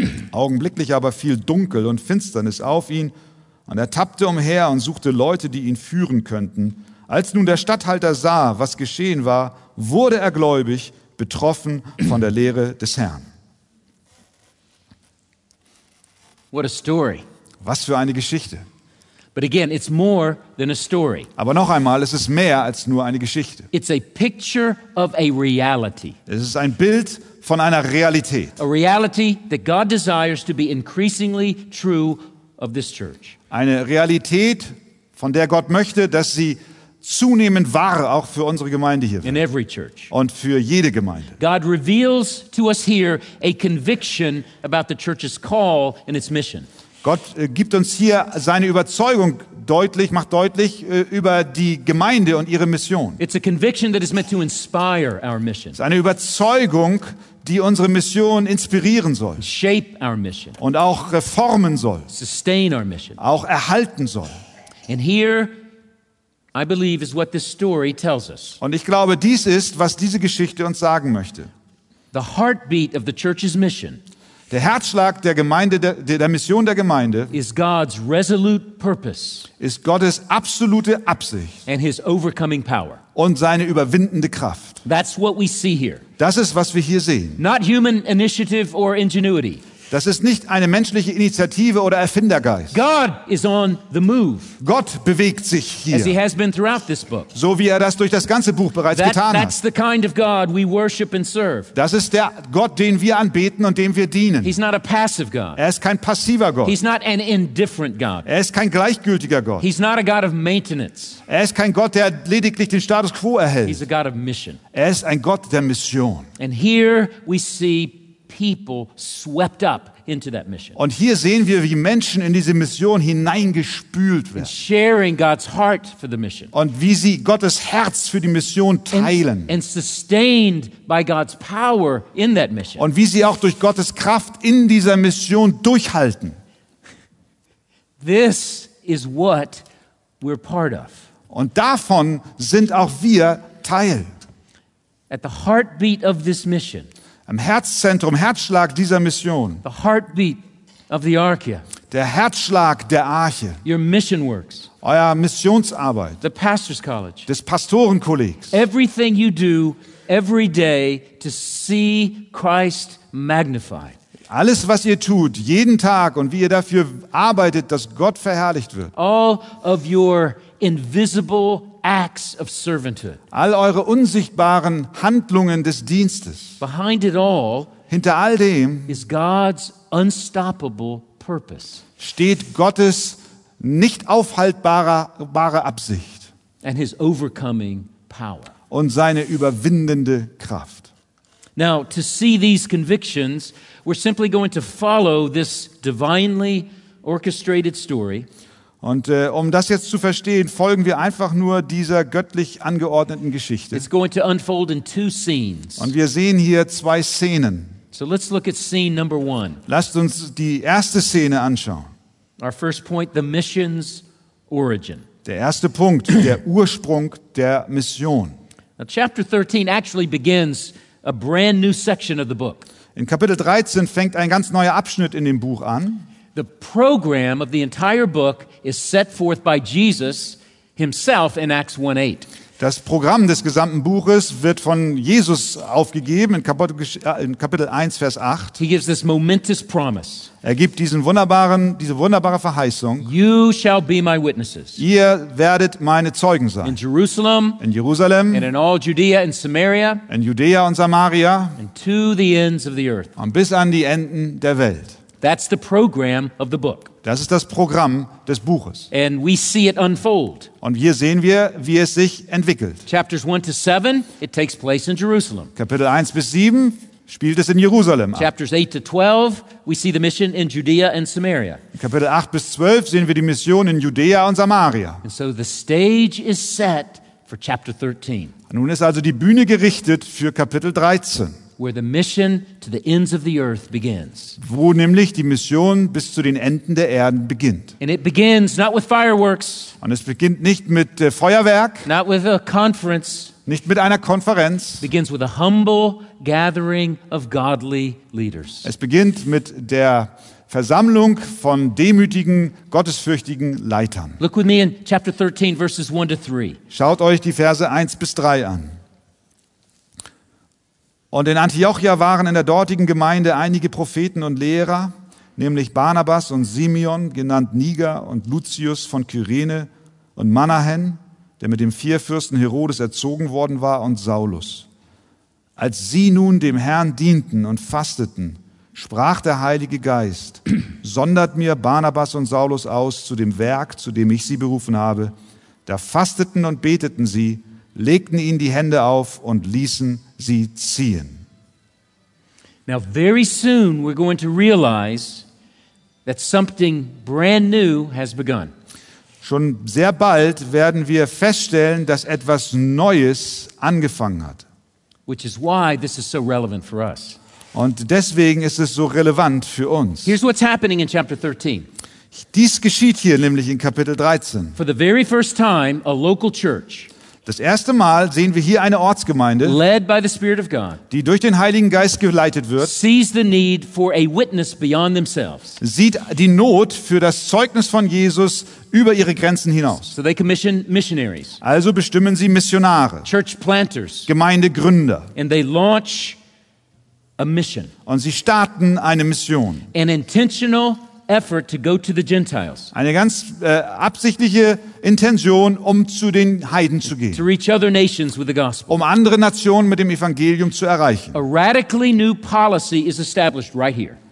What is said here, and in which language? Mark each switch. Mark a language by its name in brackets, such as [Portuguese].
[German] Augenblicklich aber fiel Dunkel und Finsternis auf ihn, und er tappte umher und suchte Leute, die ihn führen könnten. Als nun der Statthalter sah, was geschehen war, wurde er gläubig, betroffen von der Lehre des Herrn. [English] What a story. [German] Was für eine Geschichte. [English] But again, it's more than a story. [German] Aber noch einmal, es ist mehr als nur eine Geschichte. [English] It's a picture of a reality. [German] Es ist ein Bild von einer Realität. [English] A reality that God desires to be increasingly true of this church. [German] Eine Realität, von der Gott möchte, dass sie zunehmend wahr auch für unsere Gemeinde hier wird. [English] In every church. [German] Und für jede Gemeinde. [English] God reveals to us here a conviction about the church's call and its mission. [German] Gott gibt uns hier seine Überzeugung deutlich, macht deutlich über die Gemeinde und ihre Mission. [English] It's a conviction that is meant to inspire our mission. [German] Es ist eine Überzeugung, die unsere Mission inspirieren soll. [English] Shape our mission. [German] Und auch reformen soll. [English] Sustain our mission. [German] Auch erhalten soll. [English] And here, I believe, is what this story tells us. [German] Und ich glaube, dies ist, was diese Geschichte uns sagen möchte. [English] The heartbeat of the church's mission. [German] Der Herzschlag der Gemeinde, der Mission der Gemeinde, [English] is God's resolute purpose, [German] ist Gottes absolute Absicht, [English] and his overcoming power, [German] und seine überwindende Kraft. [English] That's what we see here. [German] Das ist, was wir hier sehen. [English] Not human initiative or ingenuity. [German] Das ist nicht eine menschliche Initiative oder Erfindergeist. [English] God is on the move. [German] Gott bewegt sich hier. [English] As he has been throughout this book. [German] So wie er das durch das ganze Buch bereits getan hat. [English] That's the kind of God we worship and serve. [German] Das ist der Gott, den wir anbeten und dem wir dienen. [English] He's not a passive God. [German] Er ist kein passiver Gott. [English] He's not an indifferent God. [German] Er ist kein gleichgültiger Gott. [English] He's not a God of maintenance. [German] Er ist kein Gott, der lediglich den Status quo erhält. [English] He's a God of mission. [German] Er ist ein Gott der Mission. [English] And here we see people swept up into that mission. [German] Und hier sehen wir, wie Menschen in diese Mission hineingespült werden. [English] And sharing God's heart for the mission. [German] Und wie sie Gottes Herz für die Mission teilen. [English] And sustained by God's power in that mission. [German] Und wie sie auch durch Gottes Kraft in dieser Mission durchhalten. [English] This is what we're part of. [German] Und davon sind auch wir Teil. [English] At the heartbeat of this mission. [German] Im Herzzentrum, Herzschlag dieser Mission. [English] The heartbeat of the Archaea. [German] Der Herzschlag der Arche. [English] Your mission works. [German] Euer Missionsarbeit. [English] The pastor's college. [German] Des Pastorenkollegs. [English] Everything you do every day to see Christ magnified. [German] Alles, was ihr tut, jeden Tag und wie ihr dafür arbeitet, dass Gott verherrlicht wird. [English] All of your invisible acts of servanthood. [German] All eure unsichtbaren Handlungen des Dienstes. [English] Behind it all, [German] hinter all dem, [English] is God's unstoppable purpose. [German] Steht Gottes nicht aufhaltbare Absicht. [English] And his overcoming power. [German] Und seine überwindende Kraft. [English] Now, to see these convictions, we're simply going to follow this divinely orchestrated story. [German] Und um das jetzt zu verstehen, folgen wir einfach nur dieser göttlich angeordneten Geschichte. [English] It's going to unfold in two scenes. [German] Und wir sehen hier zwei Szenen. [English] So let's look at scene number one. [German] Lasst uns die erste Szene anschauen. [English] Our first point, the mission's origin. [German] Der erste Punkt, der Ursprung der Mission. [English] Now, chapter 13 actually begins a brand new section of the book. [German] In Kapitel 13 fängt ein ganz neuer Abschnitt in dem Buch an. [English] The program of the entire book is set forth by Jesus himself in Acts 1:8. [German] Das Programm des gesamten Buches wird von Jesus aufgegeben in Kapitel 1, Vers 8. [English] He gives this momentous promise. [German] Er gibt diese wunderbare Verheißung. [English] You shall be my witnesses. [German] Ihr werdet meine Zeugen sein. [English] In Jerusalem. And in all Judea and Samaria. [German] In Judäa und Samaria. [English] And to the ends of the earth. [German] Und bis an die Enden der Welt. [English] That's the program of the book. [German] Das ist das Programm des Buches. [English] And we see it unfold. [German] Und hier sehen wir, wie es sich entwickelt. [English] Chapters 1 to 7, it takes place in Jerusalem. [German] Kapitel 1 bis 7 spielt es in Jerusalem ab. [English] Chapters 8 to 12, we see the mission in Judea and Samaria. [German] Kapitel 8 bis 12 sehen wir die Mission in Judäa und Samaria. [English] And so the stage is set for chapter 13. [German] Und nun ist also die Bühne gerichtet für Kapitel 13. [English] Where the mission to the ends of the earth begins. [German] Wo nämlich die Mission bis zu den Enden der Erde beginnt. [English] And it begins not with fireworks. [German] Und es beginnt nicht mit Feuerwerk. [English] Not with a conference. [German] Nicht mit einer Konferenz. [English] It begins with a humble gathering of godly leaders. [German] Es beginnt mit der Versammlung von demütigen, gottesfürchtigen Leitern. [English] Look with me in chapter 13, verses 1 to 3. [German] Schaut euch die Verse 1 bis 3 an. Und in Antiochia waren in der dortigen Gemeinde einige Propheten und Lehrer, nämlich Barnabas und Simeon, genannt Niger, und Lucius von Kyrene und Manahen, der mit dem Vierfürsten Herodes erzogen worden war, und Saulus. Als sie nun dem Herrn dienten und fasteten, sprach der Heilige Geist: Sondert mir Barnabas und Saulus aus zu dem Werk, zu dem ich sie berufen habe. Da fasteten und beteten sie, legten ihnen die Hände auf und ließen sie ziehen. [English] Now very soon we're going to realize that something brand new has begun. [German] Schon sehr bald werden wir feststellen, dass etwas Neues angefangen hat. [English] Which is why this is so relevant for us. [German] Und deswegen ist es so relevant für uns. [English] Here's what's happening in chapter 13. [German] Dies geschieht hier nämlich in Kapitel 13. [English] For the very first time, a local church. [German] Das erste Mal sehen wir hier eine Ortsgemeinde, [English] led by the Spirit of God, [German] die durch den Heiligen Geist geleitet wird, [English] sees the need for a witness beyond themselves, [German] sieht die Not für das Zeugnis von Jesus über ihre Grenzen hinaus. [English] So they commission missionaries, [German] also bestimmen sie Missionare, [English] church planters, [German] Gemeindegründer, [English] and they launch a mission, [German] und sie starten eine Mission. [English] An intentional effort to go to the Gentiles. [German] Eine ganz absichtliche Intention, um zu den Heiden zu gehen. [English] To reach other nations with the gospel. [German] Um andere Nationen mit dem Evangelium zu erreichen. [English] A radically new policy is established right here.